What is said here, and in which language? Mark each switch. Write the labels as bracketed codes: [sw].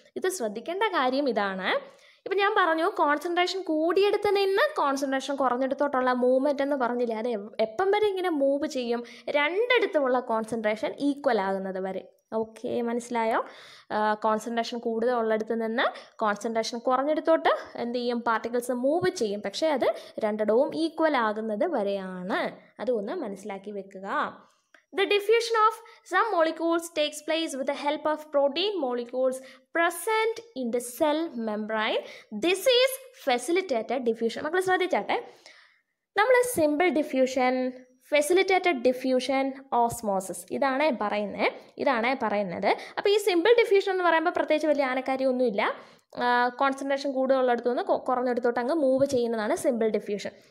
[ml] ഇത് ശ്രദ്ധിക്കേണ്ട കാര്യം ഇതാണ്. ഇപ്പം ഞാൻ പറഞ്ഞു കോൺസെൻട്രേഷൻ കൂടിയെടുത്ത് നിന്ന് കോൺസെൻട്രേഷൻ കുറഞ്ഞെടുത്തോട്ടുള്ള മൂവ്മെൻ്റ് എന്ന് പറഞ്ഞില്ലേ, അത് എപ്പം വരെ ഇങ്ങനെ മൂവ് ചെയ്യും, രണ്ടിടത്തുമുള്ള കോൺസെൻട്രേഷൻ ഈക്വൽ ആകുന്നത് വരെ. ഓക്കെ, മനസ്സിലായോ? കോൺസെൻട്രേഷൻ കൂടുതൽ ഉള്ളിടത്ത് നിന്ന് കോൺസെൻട്രേഷൻ കുറഞ്ഞെടുത്തോട്ട് എന്ത് ചെയ്യും, പാർട്ടിക്കിൾസ് മൂവ് ചെയ്യും, പക്ഷേ അത് രണ്ടിടവും ഈക്വൽ ആകുന്നത് വരെയാണ്. അതൊന്ന് മനസ്സിലാക്കി വെക്കുക. [en] The diffusion of some molecules takes place with the help of protein molecules present in the cell membrane. This is facilitated diffusion. [ml] മക്കളെ ശ്രദ്ധിച്ചാട്ടെ, നമ്മൾ simple diffusion, facilitated diffusion, osmosis ഇതാണ് പറയുന്നത്. അപ്പോൾ ഈ സിമ്പിൾ ഡിഫ്യൂഷൻ എന്ന് പറയുമ്പോൾ പ്രത്യേകിച്ച് വലിയ ആനക്കാരി ഒന്നുമില്ല, കോൺസെൻട്രേഷൻ കൂടുതലുള്ളിടത്തു നിന്ന് കുറഞ്ഞെടുത്തോട്ട് അങ്ങ് മൂവ് ചെയ്യുന്നതാണ് സിമ്പിൾ ഡിഫ്യൂഷൻ.